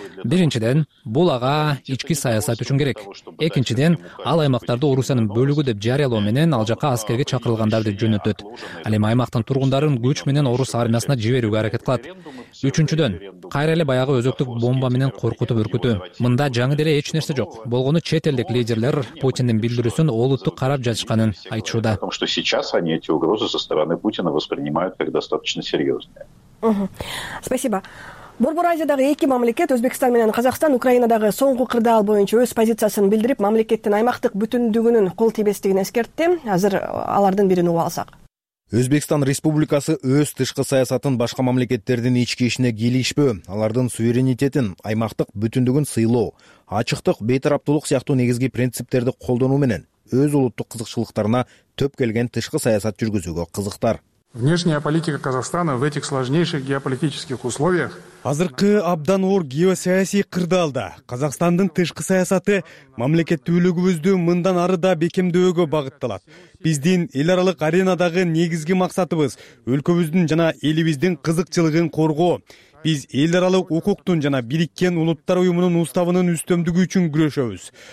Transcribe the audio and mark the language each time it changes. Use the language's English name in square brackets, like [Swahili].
[Kyrgyz] Биринчиден, бул ага ички саясат үчүн керек. Экинчиден, ал аймактарды Орусиянын бөлүгү деп жарыялоо менен ал жакка аскерге чакырылгандарды жөнөтөт. Ал эми аймактын тургундарын күч менен орус армиясына жиберүүгө аракет кылат. Үчүнчүдөн, кайра эле баягы өзөктүк бомба бомба менен коркутуп өркүтү. Мында жаңы деле эч нерсе жок. Болгону чет элдик лидерлер Путиндин билдирүүсүн олуттук карап жатышканын айтышууда. [Russian] Потому что сейчас они эти угрозы со стороны Путина воспринимают как достаточно серьезные. Спасибо. [Kyrgyz] Борбор Азиядагы эки мамлекет, Өзбекстан менен Казакстан, Украинадагы соңку кырдаал боюнча өз позициясын билдирип, мамлекеттин аймактык бүтүндүгүнүн кол тийбестигин эскертти. Азыр алардын бирин угуп алсак. Өзбекстан Республикасы өз тышкы саясатын башка мамлекеттердин ички ишине кийлишпөө, алардын суверенитетин, аймактык бүтүндүгүн сыйлоо, ачыктык, бейтараптуулук сыяктуу негизги принциптерди колдонуу менен өз улуттук кызыкчылыктарына төп келген тышкы саясат жүргүзүүгө кызыктар. [Russian] Внешняя политика Казахстана в этих сложнейших геополитических условиях. [Kyrgyz] Азыркы абдан оор геосаясий кырдаалда Казахстандын тышкы саясаты мамлекеттүүлүгүбүздү мындан ары да бекемдөөгө багытталат. Биздин эл аралык аренадагы негизги максатыбыз өлкөбүздүн жана элибиздин кызыкчылыгын коргоо. Биз эл аралык укуктун жана Бириккен Улуттар Уюмунун уставынын үстөмдүгү үчүн күрөшөбүз.